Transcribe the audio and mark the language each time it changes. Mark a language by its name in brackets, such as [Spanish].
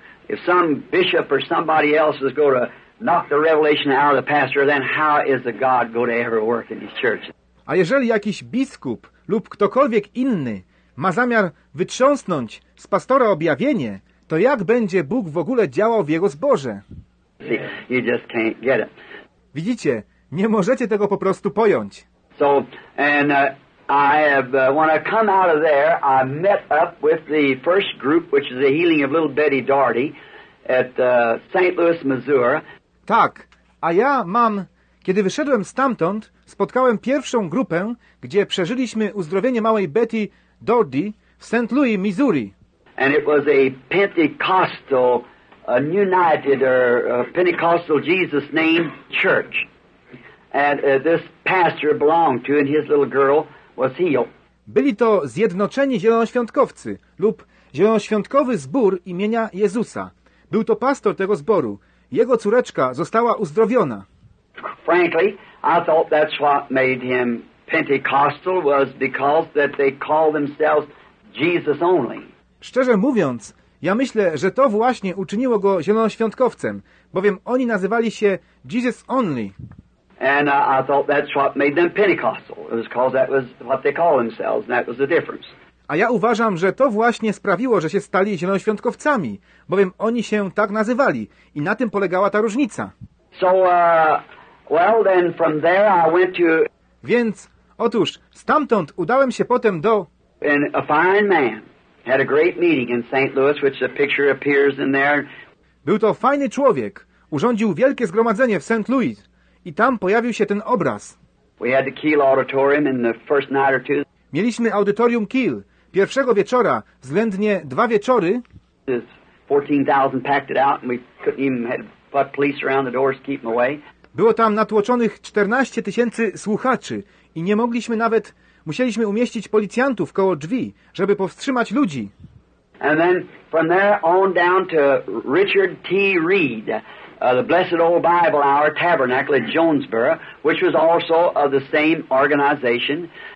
[English] If some bishop or somebody else is going to knock the revelation out of the pastor, then how is the God going to ever work in his church? [Polish] A jeżeli jakiś biskup lub ktokolwiek inny ma zamiar wytrząsnąć z pastora objawienie, to jak będzie Bóg w ogóle działał w jego zborze? [English] See, you just can't get it. [Polish] Widzicie, nie możecie tego po prostu pojąć. [English] When I come out of there, I met up with the first group, which is the healing of little Betty Daugherty at St. Louis, Missouri. [Polish] Tak, a ja mam, kiedy wyszedłem stamtąd, spotkałem pierwszą grupę, gdzie przeżyliśmy uzdrowienie małej Betty Daugherty w St. Louis, Missouri. [English] And it was a Pentecostal, a United or Pentecostal Jesus name church. And this pastor belonged to, and his little girl was healed. [Polish] Byli to Zjednoczeni Zielonoświątkowcy lub Zielonoświątkowy Zbór imienia Jezusa. Był to pastor tego zboru. Jego córeczka została uzdrowiona. [English] Frankly, I thought that's what made him Pentecostal was because that they call themselves Jesus only. [Polish] Szczerze mówiąc, ja myślę, że to właśnie uczyniło go Zielonoświątkowcem, bowiem oni nazywali się Jesus Only. [English] And I thought that's what made them Pentecostal. It was because that was what they call themselves, and that was the difference. [Polish] A ja uważam, że to właśnie sprawiło, że się stali Zielonoświątkowcami, bowiem oni się tak nazywali i na tym polegała ta różnica. [English] So, well, then from there I went to... [Polish] Więc, otóż, stamtąd udałem się potem do... [English] And a fine man had a great meeting in St. Louis, which the picture appears in there. [Polish] Był to fajny człowiek. Urządził wielkie zgromadzenie w St. Louis. I tam pojawił się ten obraz. [English] We had the Kiel Auditorium in the first night or two. [Polish] Mieliśmy audytorium Kiel. Pierwszego wieczora, względnie dwa wieczory. [English] 14,000 packed it out and we couldn't even have put police around the doors to keep them away. [Polish] Było tam natłoczonych 14 tysięcy słuchaczy i nie mogliśmy nawet, musieliśmy umieścić policjantów koło drzwi, żeby powstrzymać ludzi. [English] And then from there on down to Richard T. Reed, the Blessed Old Bible Hour Tabernacle at Jonesboro, which was also of the same organization.